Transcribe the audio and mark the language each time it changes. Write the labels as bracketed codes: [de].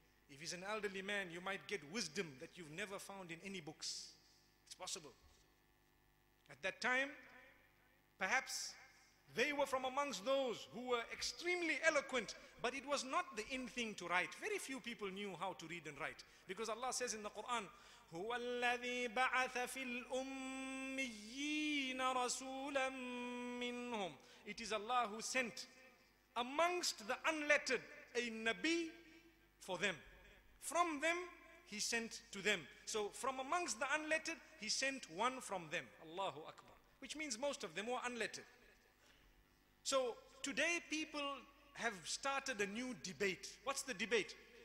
[en] If he's an elderly man, you might get wisdom that you've never found in any books. It's possible. At that time, perhaps they were from amongst those who were extremely eloquent, but it was not the in thing to write. Very few people knew how to read and write. Because Allah says in the Quran, [ar] هُوَ الَّذِي بَعَثَ فِي الْأُمِّيِّينَ رَسُولًا مِّنْهُمْ. [en] It is Allah who sent amongst the unlettered a Nabi for them. From them, he sent to them. So from amongst the unlettered, he sent one from them. Allahu Akbar. which means most of them were unlettered. So today people have started a new debate. What's the debate?